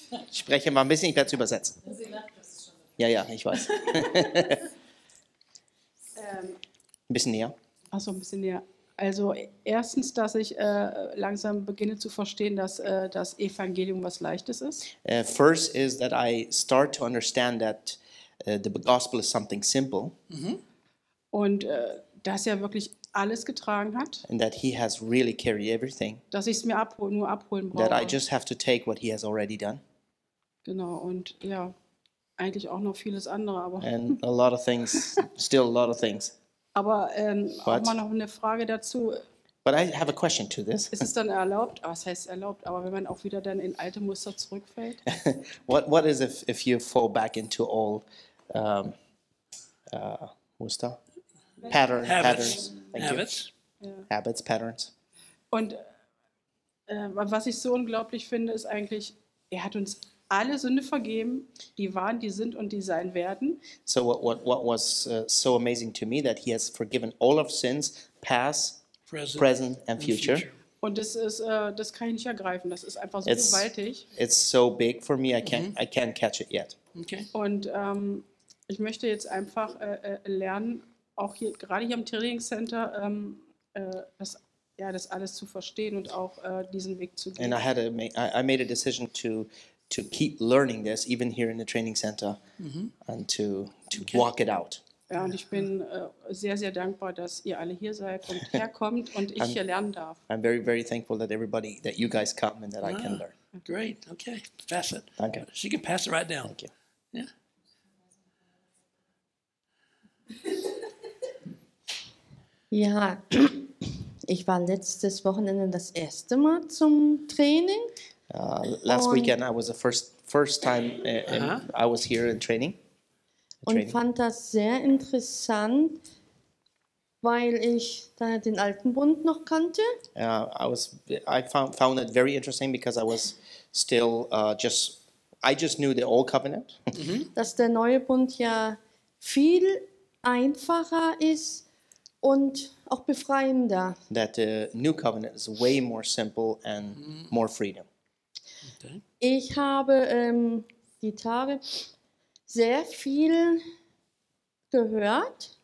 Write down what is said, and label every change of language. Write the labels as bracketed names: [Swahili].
[German] Ich spreche mal ein bisschen, ich werde es übersetzen. Ja, ich weiß. Ein bisschen näher. Ach so, ein bisschen näher. Also erstens, dass ich langsam beginne zu verstehen, dass das Evangelium was Leichtes ist. [English] First is that I start to understand that the gospel is something simple. [German] Mm-hmm. Und dass er wirklich alles getragen hat. [English] And that he has really carried everything. [German] Dass ich es mir nur abholen brauche. [English] That I just have to take what he has already done. [German] Genau, und ja. Eigentlich auch noch vieles andere, aber. [English] And a lot of things, still a lot of things. [German] Aber auch mal noch eine Frage dazu. [English] But I have a question to this. [German] Ist es dann erlaubt? Was heißt erlaubt? Aber wenn man auch wieder dann in alte Muster zurückfällt? [English] What is if you fall back into old Muster? Habits, patterns. [German] Und was ich so unglaublich finde, ist eigentlich, er hat uns alle Sünde vergeben, die waren, die sind und die sein werden. [English] So what was so amazing to me that he has forgiven all of sins, past, present and future. [German] Und das ist das kann ich nicht ergreifen, das ist einfach so gewaltig. [English] It's so big for me, I can't catch it yet. Okay. [German] Und ich möchte jetzt einfach lernen, auch hier gerade hier im Trainingscenter das alles zu verstehen und auch diesen Weg zu gehen. [English] And I made a decision to keep learning this even here in the training center and to walk it out. [German] Ja, und ich bin sehr sehr dankbar, dass ihr alle hier seid und herkommt und ich hier lernen darf. [English] I'm very very thankful that everybody that you guys come and that I can learn. Great. Okay. Pass it. [German] Danke. [English] She can pass it right down. Thank you. Yeah. Ja. [German] Ich war letztes Wochenende das erste Mal zum Training. [English] Last weekend I was the first time I was here in training. [German] Und fand das sehr interessant, weil ich da den alten Bund noch kannte. [English] I found it very interesting because I was still I just knew the old covenant. [German] Dass der neue Bund ja viel einfacher ist und auch befreiender. [English] That the new covenant is way more simple and more freedom. [German] Okay. Ich habe die Tage sehr viel gehört.